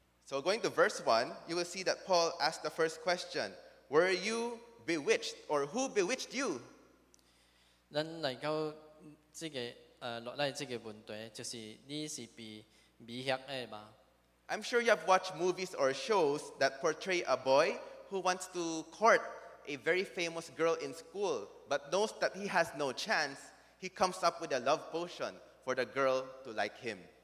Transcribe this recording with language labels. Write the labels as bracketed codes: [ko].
[en] So going to verse 1, you will see that Paul asked the first question: Were you bewitched, or who bewitched you? [nan] 咱来到这个落来这个问题，就是你是被迷惑的吗 [en] ？I'm sure you have watched movies or shows that portray a boy who wants to court a very famous girl in school, but knows that he has no chance. He comes up with a love potion for the girl to like him.